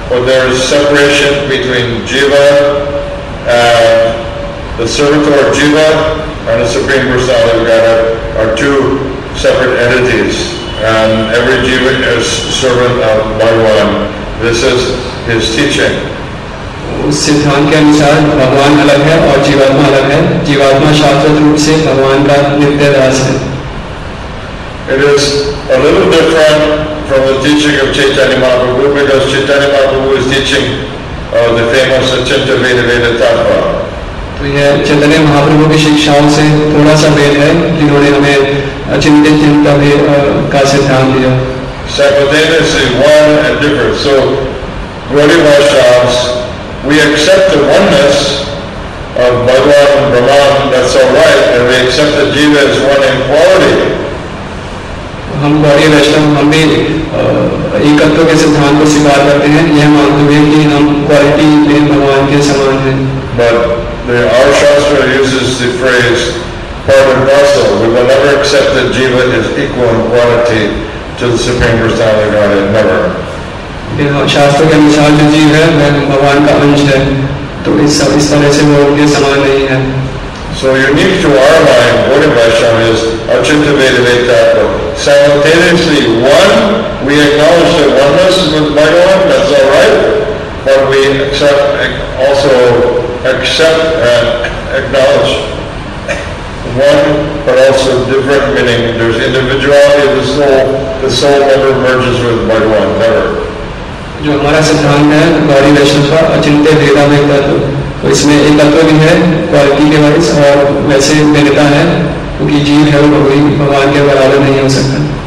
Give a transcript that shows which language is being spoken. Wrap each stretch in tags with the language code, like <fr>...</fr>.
<en>But there is separation between Jiva and the servitor Jiva and the Supreme Personality of Godhead are two separate entities, and every Jiva is servant of Bhagavan. This is his teaching.</en> <hi>उस सिद्धांत के अनुसार भगवान अलग है और जीवात्मा अलग है. जीवात्मा शास्त्र रूप से भगवान का नित्य दास है.</hi> <en>It is a little different from the teaching of Chaitanya Mahaprabhu because Chaitanya Mahaprabhu is teaching the famous Achintya Vedanta Tattva.</en> <hi>Chaitanya Mahaprabhu की शिक्षाओं से थोड़ा सा भेद है जिन्होंने हमें अचिंत्य चिंता भी का सिद्धांत दिया.</hi> <en>Simultaneously, one and different. So, Gaudiya Vaishnavas, we accept the oneness of Bhagavan and Brahman, that's all right, and we accept the Jiva as one in quality.</en> <hi>हम गौड़ीय वैष्णव हम भी एकत्व के सिद्धांत को स्वीकार करते हैं. यह मानते हैं कि हम क्वालिटी में भगवान के समान हैं.</hi> <en>But our Shastra uses the phrase part and parcel. We will never accept that Jiva is equal in quality to the Supreme Personality of Godhead. Never.</en> <hi>शास्त्र के अनुसार जो जीव है वह भगवान का अंश है, तो इस तरह से वो उनके समान नहीं है.</hi> <en>So unique to our mind, what it is shown is Achintya Vedanta. Simultaneously, one, we acknowledge the oneness with Bhagavan, that's all right, but we accept and acknowledge one, but also different meaning. There's individuality of the soul never merges with Bhagavan, never.</en> <hi>जो हमारा सिद्धांत है गौड़ीय वैष्णव का अचिंत्य वेदा में तत्व, इसमें एक तत्व भी है क्वालिटी के वाइज, और वैसे भिन्नता है क्योंकि जीव है और कोई भगवान के बराबर नहीं हो सकता.</hi>